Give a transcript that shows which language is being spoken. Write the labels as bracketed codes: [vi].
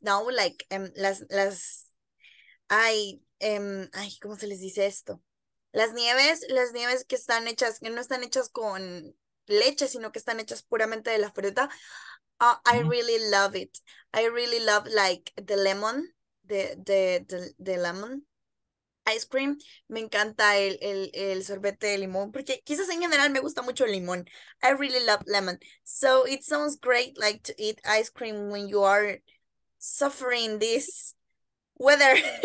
[es] No, like las I ay, ¿cómo se les dice esto? Las nieves que están hechas, que no están hechas con leche, sino que están hechas puramente de la fruta. [en] I really love it. I really love like the lemon, the lemon ice cream. [es] Me encanta el sorbete de limón, porque quizás en general me gusta mucho el limón. [en] I really love lemon. So it sounds great like to eat ice cream when you are suffering this weather.